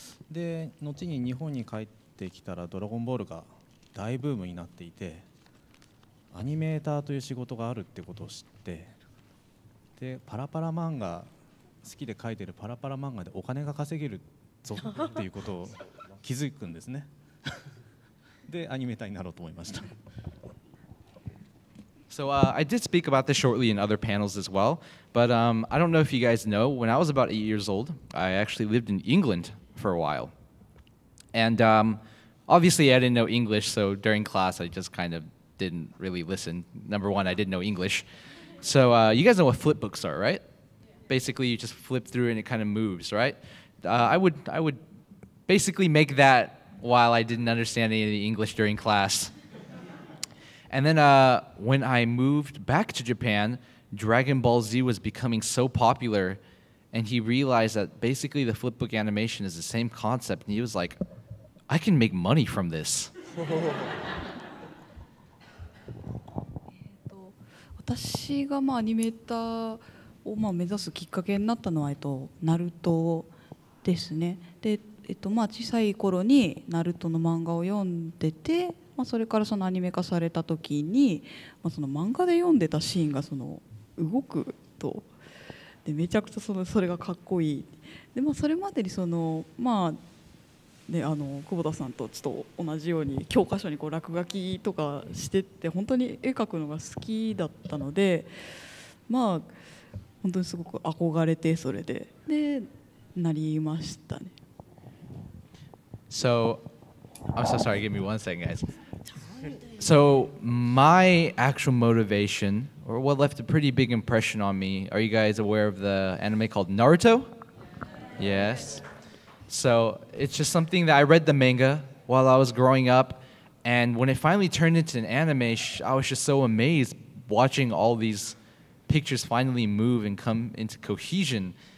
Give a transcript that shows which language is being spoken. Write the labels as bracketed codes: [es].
[ja] で後に日本に帰ってきたらドラゴンボールが大ブームになっていて、アニメーターという仕事があるってことを知って、でパラパラ漫画好きで描いてるパラパラ漫画でお金が稼げるぞっていうことを気づくんですね。でアニメーターになろうと思いました。 [en] So, I did speak about this shortly in other panels as well, but I don't know if you guys know, when I was about 8 years old, I actually lived in England for a while. And obviously I didn't know English, so during class I just kind of didn't really listen. Number one, I didn't know English. So you guys know what flipbooks are, right? Basically, you just flip through and it kind of moves, right? I would basically make that while I didn't understand any of the English during class. And then when I moved back to Japan, Dragon Ball Z was becoming so popular, and he realized that basically the flipbook animation is the same concept, and he was like, I can make money from this. [ja] 私がまあアニメーターをまあ目指すきっかけになったのはナルトですね。で、まあ、小さい頃にナルトの漫画を読んでて、まあ、それからそのアニメ化された時に、まあ、その漫画で読んでたシーンがその動くと、でめちゃくちゃ それがかっこいい。で、まあ、それまでにその、まあね、あの久保田さんとちょっと同じように教科書にこう落書きとかしてって本当に絵描くのが好きだったので、まあ本当にすごく憧れて、それでなりましたね。 [en] So I'm so sorry, give me one second guys. So my actual motivation, or what left a pretty big impression on me, are you guys aware of the anime called Naruto? Yes. So it's just something that I read the manga while I was growing up, and when it finally turned into an anime, I was just so amazed watching all these pictures finally move and come into cohesion.